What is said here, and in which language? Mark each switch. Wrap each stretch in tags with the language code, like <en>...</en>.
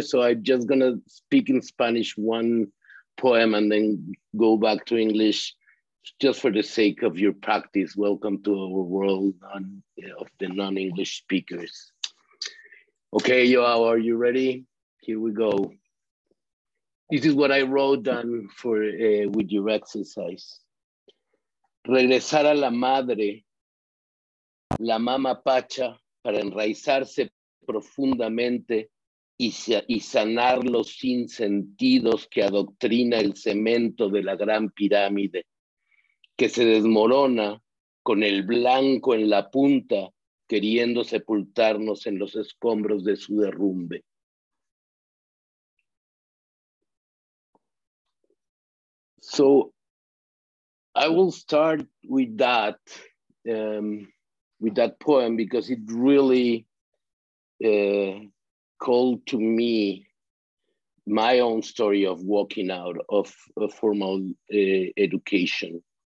<en>So I'm just gonna speak in Spanish one poem and then go back to English just for the sake of your practice. Welcome to our world of the non-English speakers. Okay, Joao, are you ready? Here we go. This is what I wrote down for with your exercise.</en> <es>Regresar a la madre, la mama pacha, para enraizarse profundamente y sanar los sinsentidos que adoctrina el cemento de la gran pirámide, que se desmorona con el blanco en la punta, queriendo sepultarnos en los escombros de su derrumbe.</es> <en>So I will start with that poem because it really called to me my own story of walking out of a formal education.</en>